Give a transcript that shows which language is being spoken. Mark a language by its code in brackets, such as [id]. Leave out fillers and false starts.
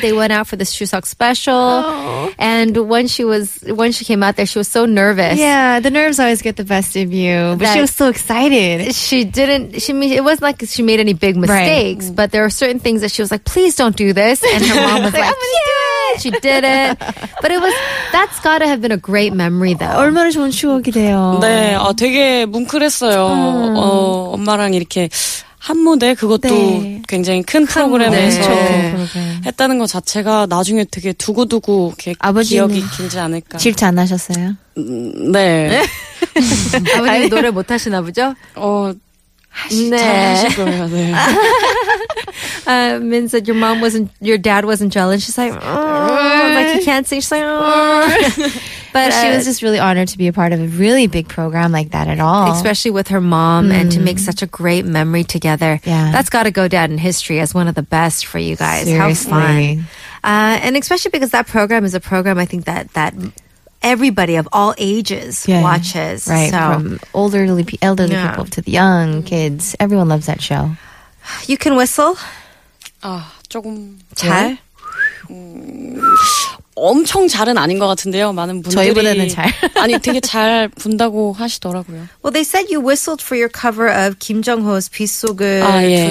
[en] They went out for this Chuseok special. And when she came out there, she was so nervous. Yeah, the nerves always get the best of you. But she was so excited. It wasn't like she made any big mistakes. Right. But there are certain things that she was like, please don't do this. And her mom was like, I'm gonna do it. She did it. But it was, that's gotta have been a great memory though. [ko] 얼마나 좋은 추억이 돼요. 네, 되게 뭉클했어요. 엄마랑 이렇게 한 무대 그것도 네. 굉장히 큰 프로그램에서 네. 했다는 것 자체가 나중에 되게 두고두고 기억이 길지 않을까. 질투 안 하셨어요? 네. 아버님 노래 못 하시나 보죠? 네. 잘하실 거예요, 네. [en] Min said your dad wasn't jealous. She's like, oh, like he can't sing. She's like, oh. But she was just really honored to be a part of a really big program like that at all. Especially with her mom mm. and to make such a great memory together. Yeah. That's got to go down in history as one of the best for you guys. Seriously. How fun. And especially because that program is a program I think that everybody of all ages yeah, watches. Right, so. From elderly yeah. people to the young kids. Everyone loves that show. You can whistle? [ko] 조금. 잘? 엄청 잘은 아닌 것 같은데요. 많은 분들이. 저희보다는 잘. 아니, 되게 잘 분다고 하시더라고요. [en] Well, they said you whistled for your cover of 김정호's 빗속을 예.